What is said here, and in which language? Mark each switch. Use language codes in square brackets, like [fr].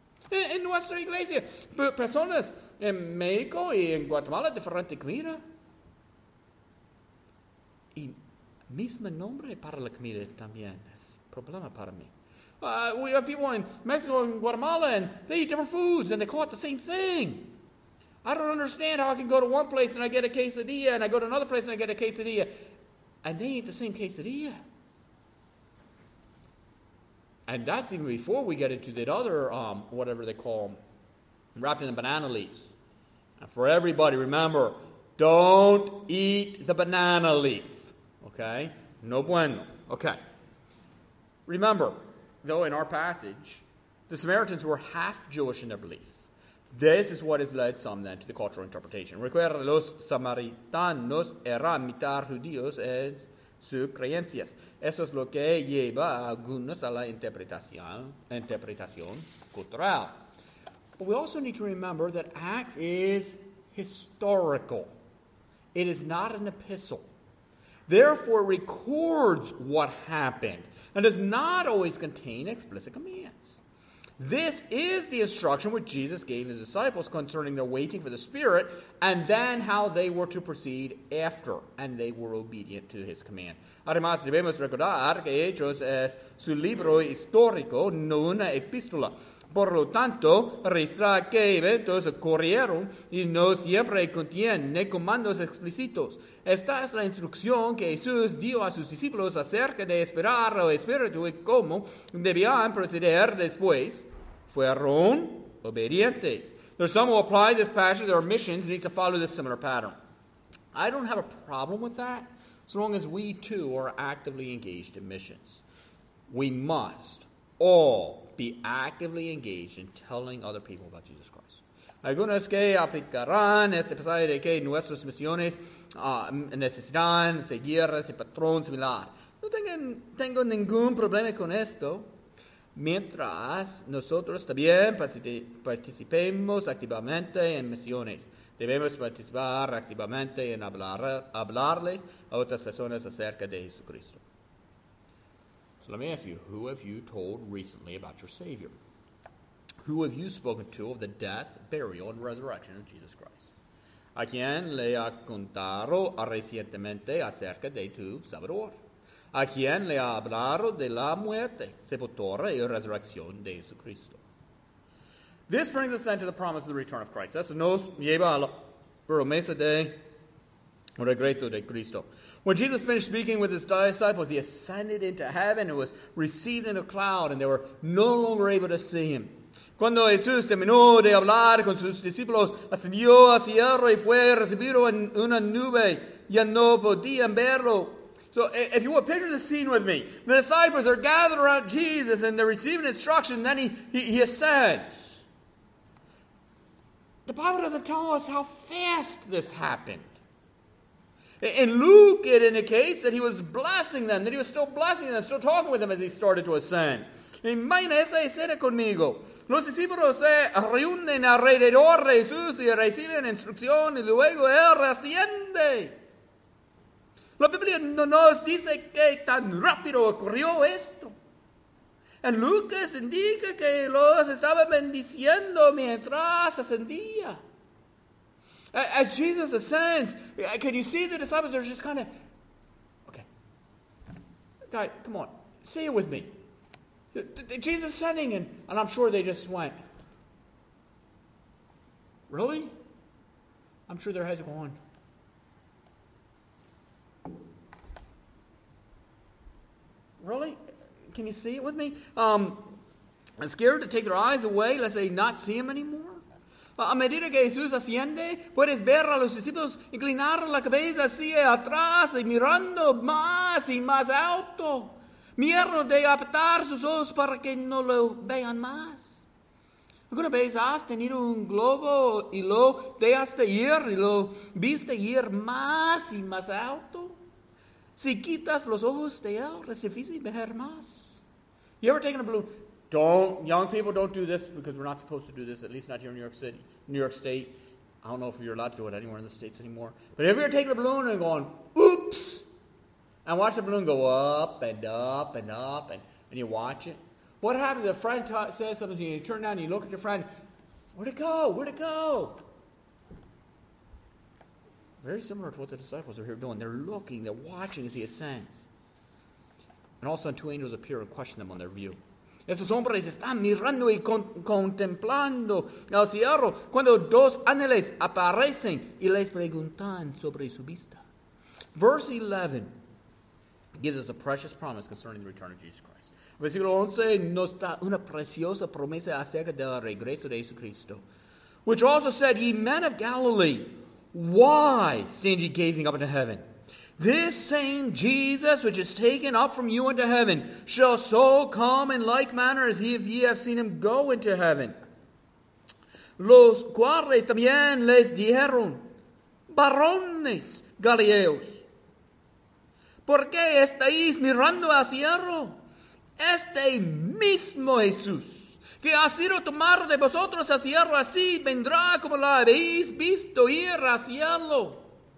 [es] En nuestra iglesia, personas en México y en Guatemala, diferente comida. Y mismo nombre para la comida también es problema para mí. [en] We have people in Mexico and Guatemala, and they eat different foods, and they call it the same thing. I don't understand how I can go to one place and I get a quesadilla, and I go to another place and I get a quesadilla, and they eat the same quesadilla. And that's even before we get into that other, whatever they call them, wrapped in the banana leaves. And for everybody, remember, don't eat the banana leaf. Okay? [es] No bueno. [en] Okay. Remember, though, in our passage, the Samaritans were half Jewish in their belief. This is what has led some then to the cultural interpretation. [es] Recuerda, los Samaritanos eran mitad judíos en sus creencias. Eso es lo que lleva a algunos a la interpretación cultural. [en] But we also need to remember that Acts is historical. It is not an epistle. Therefore, it records what happened and does not always contain explicit commands. This is the instruction which Jesus gave his disciples concerning their waiting for the Spirit and then how they were to proceed after, and they were obedient to his command. [es] Además, debemos recordar que Hechos es su libro histórico, no una epístola. Por lo tanto, registra qué eventos ocurrieron y no siempre contiene comandos explícitos. Esta es la instrucción que Jesús dio a sus discípulos acerca de esperar al Espíritu y cómo debían proceder después. Fueron obedientes. [en] There's some who apply this passage to their missions and need to follow this similar pattern. I don't have a problem with that, as long as we too are actively engaged in missions. We must all be actively engaged in telling other people about Jesus Christ. [es] Algunos que aplicarán este pasaje de que nuestras misiones necesitan seguir ese patrón similar. No tengo ningún problema con esto. Mientras nosotros también participemos activamente en misiones, debemos participar activamente en hablarles a otras personas acerca de Jesucristo. [en] Let me ask you, who have you told recently about your Savior? Who have you spoken to of the death, burial, and resurrection of Jesus Christ? [es] ¿A quién le ha contado recientemente acerca de tu Salvador? ¿A quién le ha hablado de la muerte, sepultura, y resurrección de Jesucristo? [en] This brings us then to the promise of the return of Christ. [es] Eso nos lleva a la promesa de regreso de Cristo. [en] When Jesus finished speaking with his disciples, he ascended into heaven and was received in a cloud, and they were no longer able to see him. [es] Cuando Jesús terminó de hablar con sus discípulos, ascendió al cielo y fue recibido en una nube, ya no podían verlo. [en] So if you will picture the scene with me, the disciples are gathered around Jesus and they're receiving instruction, and then he ascends. The Bible doesn't tell us how fast this happened. In Luke, it indicates that he was blessing them, that he was still blessing them, still talking with them as he started to ascend. [es] Imagina esa escena conmigo. Los discípulos se reúnen alrededor de Jesús y reciben instrucción y luego él asciende. La Biblia no nos dice que tan rápido ocurrió esto. En Lucas indica que los estaba bendiciendo mientras ascendía. [en] As Jesus ascends, can you see the disciples are just kind of, okay. Guy, come on, say it with me. Jesus ascending, and I'm sure they just went, really? I'm sure their heads are going. Really? Can you see it with me? I'm scared to take their eyes away, lest they not see him anymore. [es] a medida que Jesús asciende, puedes ver a los discípulos inclinar la cabeza hacia atrás y mirando más y más alto. Miedo de apartar sus ojos para que no lo vean más. ¿Alguna vez has tenido un globo y lo dejaste ir y lo viste ir más y más alto? Si quitas los ojos de él, es difícil ver más. [en] You ever taken a balloon? Don't, young people, don't do this because we're not supposed to do this, at least not here in New York City, New York State. I don't know if you're allowed to do it anywhere in the States anymore. But if you're taking a balloon and going, oops, and watch the balloon go up and up and up, and you watch it. What happens if a friend says something to you, and you turn around and you look at your friend, where'd it go? Where'd it go? Very similar to what the disciples are here doing. They're looking, they're watching as he ascends. And all of a sudden, two angels appear and question them on their view. [es] Esos hombres están mirando y contemplando al cielo cuando dos ángeles aparecen y les preguntan sobre su vista. [en] Verse 11 gives us a precious promise concerning the return of Jesus Christ. [es] Versículo 11 nos da una preciosa promesa acerca del regreso de Jesucristo. [en] Which also said, ye men of Galilee, why stand ye gazing up into heaven? This same Jesus, which is taken up from you into heaven, shall so come in like manner as if ye have seen him go into heaven. [es] Los cuales también les dijeron, varones galileos, ¿por qué estáis mirando al cielo? Este mismo Jesús, que ha sido tomado de vosotros al cielo, así vendrá como lo habéis visto ir al cielo.